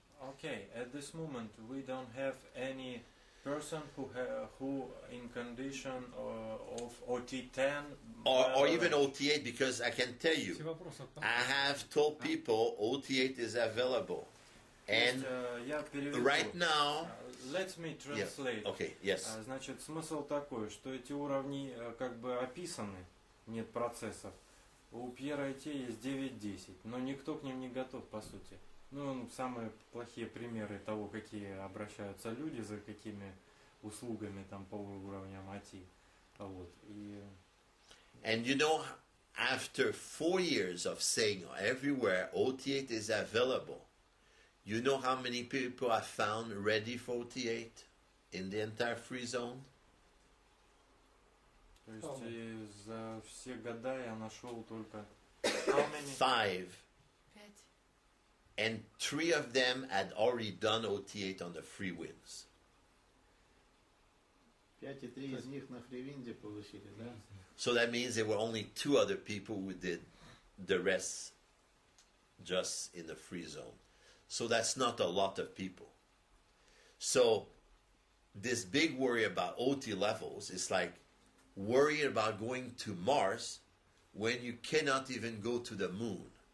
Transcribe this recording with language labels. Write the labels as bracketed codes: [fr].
[en] Okay, at this moment we don't have any person who in condition of OT10 or even OT8, because I can tell you, I have told people OT8 is available. And right now, let me translate. Yeah. Okay, yes. [ru] Значит, смысл такой, что эти уровни как бы описаны, нет процессов. У Пьера IT есть 9-10, но никто к ним не готов, по сути. Ну, самые плохие примеры того, какие обращаются люди, за какими услугами там по уровням IT. Вот. И... [en] And you know, after 4 years of saying everywhere OT8 is available, you know how many people I found ready for OT8 in the entire free zone? [ru] То есть за все года я нашел только [en] five. And three of them had already done OT8 on the free wins. [ru] Пять и три из них на фривинде получили, да? [en] So that means there were only two other people who did the rest just in the free zone. So that's not a lot of people. So this big worry about OT levels is like worrying about going to Mars when you cannot even go to the moon.